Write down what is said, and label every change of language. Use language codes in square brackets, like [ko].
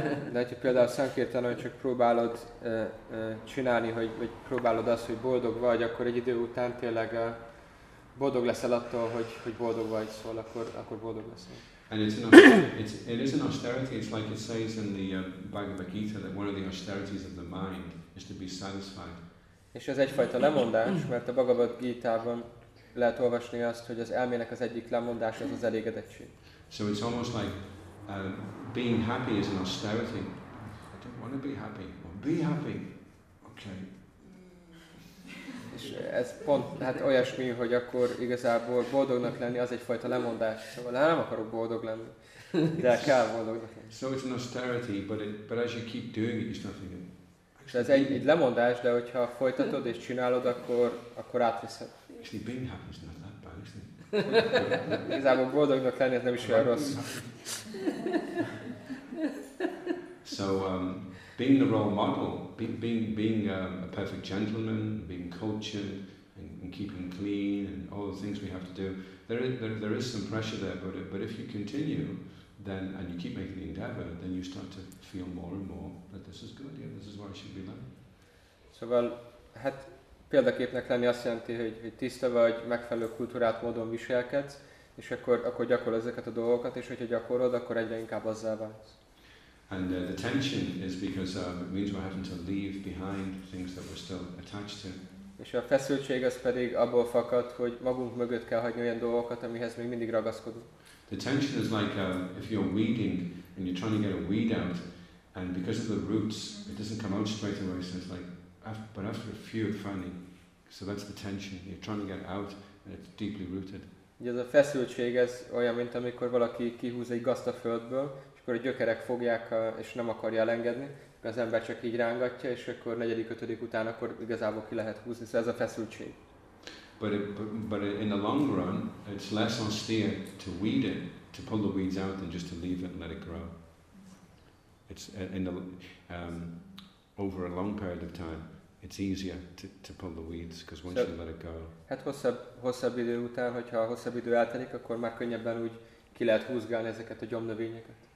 [hu] De hogyha például Sankirtanon csak próbálod csinálni, vagy próbálod azt, hogy boldog vagy, akkor egy idő után tényleg boldog leszel attól, hogy boldog vagy, szóval akkor boldog leszel. [en] And it is an austerity. It's like it says in the Bhagavad Gita that one of the austerities of the mind is to be satisfied. [hu] És ez egyfajta lemondás, mert a Bhagavad Gita-ban lehet olvasni azt, hogy az elmének az egyik lemondás az elégedettség. [en] So it's almost like being happy is an austerity. I don't want to be happy. Well, be happy. Okay. [hu] És ez pont, hát olyasmi, hogy akkor igazából boldognak lenni, az egyfajta lemondás. Szóval nem akarok boldog lenni, de kell boldognak lenni. [en] So it's an austerity, but as you keep doing it, you start thinking. [hu] És ez egy lemondás, de hogyha folytatod és csinálod, akkor átveszed. [en] Actually, being happy is not that bad, isn't it? [hu] Igazából boldognak lenni, ez nem is olyan rossz. [en] So being the role model, being a perfect gentleman, being cultured and keeping clean and all the things we have to do, there is some pressure there, but if you continue then and you keep making the endeavor, then you start to feel more and more that this is good, this is what I should be like. [hu] Szóval, hát példaképnek lenni azt jelenti, hogy tiszta vagy, megfelelő kultúrát módon viselkedsz, és akkor gyakorol ezeket a dolgokat, és hogyha gyakorod, akkor egyre inkább azzá válsz. [en] And the tension is because it means we're having to leave behind things that we're still attached to. [hu] És a feszültség az pedig abból fakad, hogy magunk mögött kell hagyni olyan dolgokat, amihez még mindig ragaszkodunk. [en] The tension is like if you're weeding and you're trying to get a weed out, and because of the roots, it doesn't come out straight away. So it's like, but after a few, finally. So that's the tension. You're trying to get out, and it's deeply rooted. [hu] Ugye ez a feszültség, ez olyan, mint amikor valaki kihúz egy gasztaföldből, akkor a gyökerek fogják, és nem akarja elengedni, mert az ember csak így rángatja, és akkor negyedik, ötödik után akkor igazából ki lehet húzni, szóval ez a feszültség. [en] But in the long run, it's less austere to weed it, to pull the weeds out, than just to leave it and let it grow. It's in the over a long period of time, it's easier to pull the weeds because once you let it go. [hu] Hát hosszabb idő után, hogyha hosszabb idő eltelik, akkor már könnyebben úgy ki lehet húzgálni ezeket a gyomnövényeket.